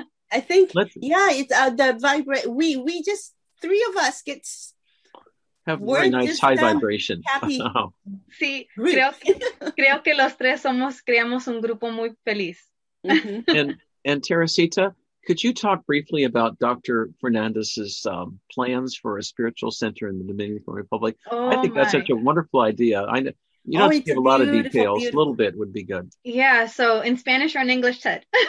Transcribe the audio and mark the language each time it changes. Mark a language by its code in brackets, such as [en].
[en] I think, we just, three of us get... Have very nice high vibration. Happy. [es] Sí, creo que los tres creamos un grupo muy feliz. Mm-hmm. [en] And Teresita, could you talk briefly about Dr. Fernandez's plans for a spiritual center in the Dominican Republic? Oh, I think that's such a wonderful idea. I know you don't have to give a lot of details. Beautiful. A little bit would be good. Yeah, so in Spanish or in English, Ted?